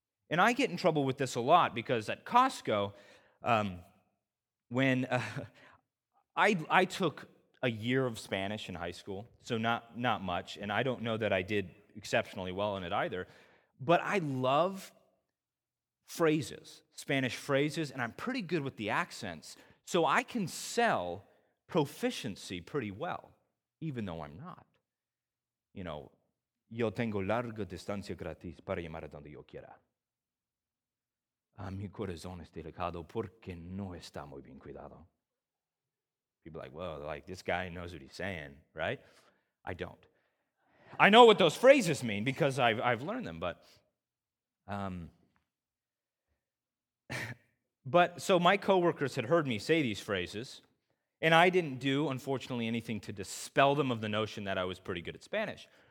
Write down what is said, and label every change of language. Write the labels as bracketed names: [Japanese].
[English] And I get in trouble with this a lot because at Costco, I took a year of Spanish in high school, so not much, and I don't know that I did exceptionally well in it either, but I love phrases, Spanish phrases, and I'm pretty good with the accents, so I can sell proficiency pretty well, even though I'm not. [Spanish] You know, yo tengo larga distancia gratis para llamar a donde yo quiera. A mi corazón es delicado porque no está muy bien cuidado. [English] People are like, well, like, this guy knows what he's saying, right? I don't. I know what those phrases mean because I've learned them, but so my coworkers had heard me say these phrases, and I didn't do, unfortunately, anything to dispel them of the notion that I was pretty good at Spanish.